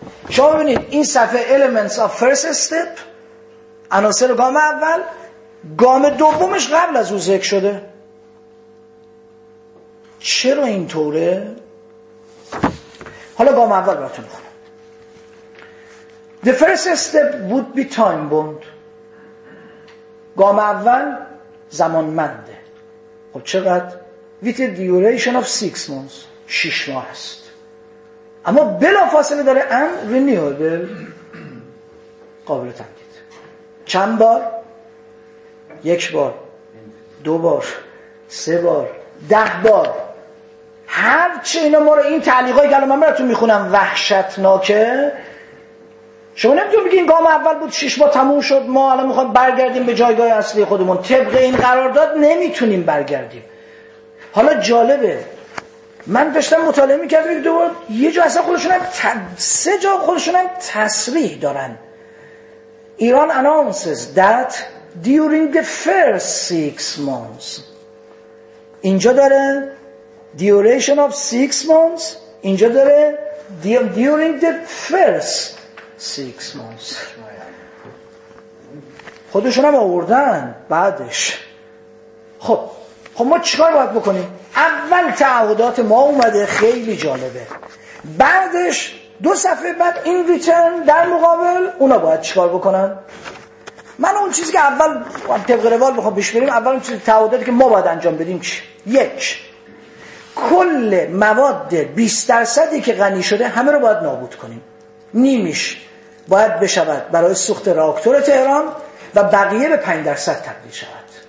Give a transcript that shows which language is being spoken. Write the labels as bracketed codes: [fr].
[fa] شما ببینید این صفحه [en] Elements of First Step، [fa] عناصر گام اول، گام دومش قبل از او ذکر شده. چرا اینطوره؟ حالا گام اول براتون بخونم. [en] The first step would be time bound. [fa] گام اول زمانمنده. خب چقدر؟ [en] With a duration of 6 months، [fa] 6 ماه هست. اما بلافاصله داره [en] and renewable، [fa] قابل تمدید. چند بار؟ 1 بار، 2 بار، 3 بار، 10 بار. هر چه اینا ما رو این تعلیقای گلا من براتون میخونم وحشتناکه، شما نمیتون بگین گام اول بود 6 ماه تموم شد، ما الان میخوایم برگردیم به جایگاه اصلی خودمون، طبق این قرارداد نمیتونیم برگردیم. حالا جالبه، من داشتم مطالعه میکردم، یک دو یه جا اصلا خودشون هم سه جا خودشون هم تصریح دارن. [en] ایران announces that during the first 6 months، [fa] اینجا داره [en] duration of 6 months، اینجا داره during the first 6 months. [fa] خودشون هم آوردن بعدش. خب ما چیکار باید بکنیم؟ اول تعهدات ما اومده، خیلی جالبه، بعدش 2 صفحه بعد این return در مقابل اونا باید چیکار بکنن. من اون چیزی که اول طبق روال بخوام پیش بریم، اول اون چیزی تعهداتی که ما باید انجام بدیم چی؟ 1، کل مواد 20%ی که غنی شده همه رو باید نابود کنیم، نیمیش باید بشود برای سوخت راکتور تهران و بقیه به 5% تبدیل شود.